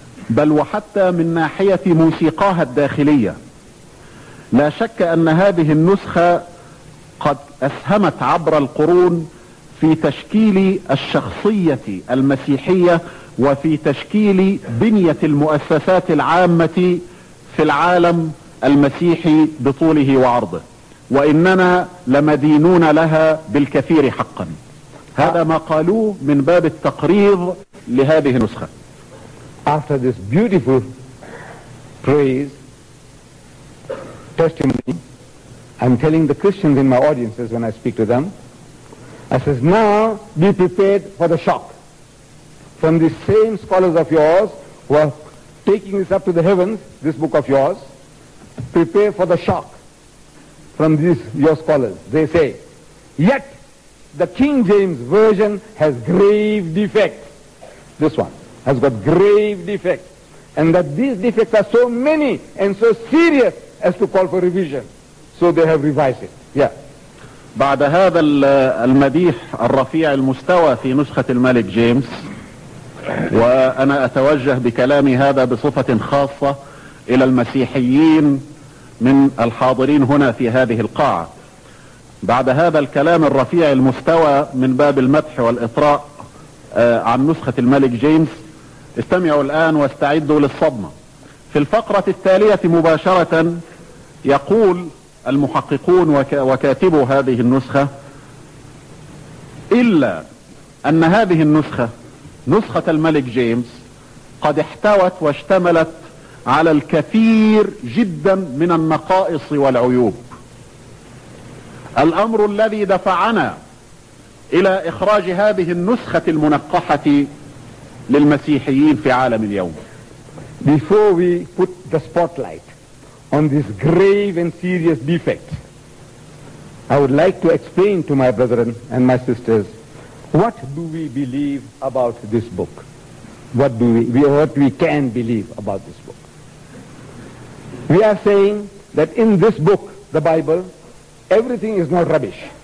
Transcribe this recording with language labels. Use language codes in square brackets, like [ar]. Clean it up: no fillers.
[ar] بل وحتى من ناحية موسيقاها الداخلية، لا شك أن هذه النسخة قد أسهمت عبر القرون في تشكيل الشخصية المسيحية وفي تشكيل بنية المؤسسات العامة في العالم المسيحي بطوله وعرضه، وإننا لمدينون لها بالكثير حقا. هذا ما قالوه من باب التقريض لهذه النسخة. [en] After this beautiful praise, testimony, I'm telling the Christians in my audiences when I speak to them, I says, now be prepared for the shock from these same scholars of yours who are taking this up to the heavens, this book of yours. Prepare for the shock from these your scholars. They say, yet the King James Version has grave defects. This one has got grave defects. And that these defects are so many and so serious as to call for revision. So they have revised it. Yeah. [ar] بعد هذا المديح الرفيع المستوى في نسخة الملك جيمس، وأنا أتوجه بكلامي هذا بصفة خاصة إلى المسيحيين من الحاضرين هنا في هذه القاعة، بعد هذا الكلام الرفيع المستوى من باب المدح والإطراء عن نسخة الملك جيمس، استمعوا الآن واستعدوا للصدمة. في الفقرة التالية مباشرة يقول المحققون وكاتبوا هذه النسخة: إلا أن هذه النسخة، نسخة الملك جيمس، قد احتوت واشتملت على الكثير جدا من النقائص والعيوب، الأمر الذي دفعنا إلى إخراج هذه النسخة المنقحة للمسيحيين في عالم اليوم. [en] Before we put the spotlight on this grave and serious defect, I would like to explain to my brethren and my sisters, what do we believe about this book? What we can believe about this book? We are saying that in this book, the Bible, everything is not rubbish.